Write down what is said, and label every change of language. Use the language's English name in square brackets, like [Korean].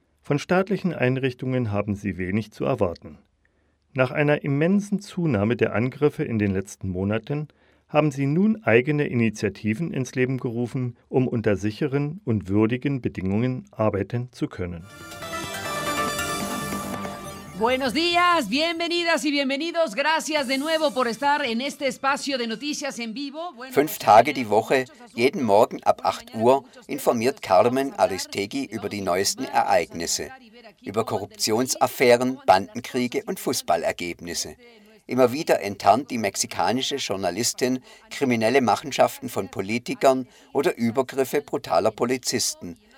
[German] Von staatlichen Einrichtungen haben sie wenig zu erwarten. Nach einer immensen Zunahme der Angriffe in den letzten Monaten haben sie nun eigene Initiativen ins Leben gerufen, um unter sicheren und würdigen Bedingungen arbeiten zu können. [Spanish] Buenos días, bienvenidas y bienvenidos. Gracias de nuevo por estar en este espacio de noticias en vivo. [German] 5 Tage die Woche, jeden Morgen ab 8 Uhr, informiert Carmen Aristegui über die neuesten Ereignisse, über Korruptionsaffären, Bandenkriege und Fußballergebnisse. Immer wieder enttarnt die mexikanische Journalistin kriminelle Machenschaften von Politikern oder Übergriffe brutaler Polizisten.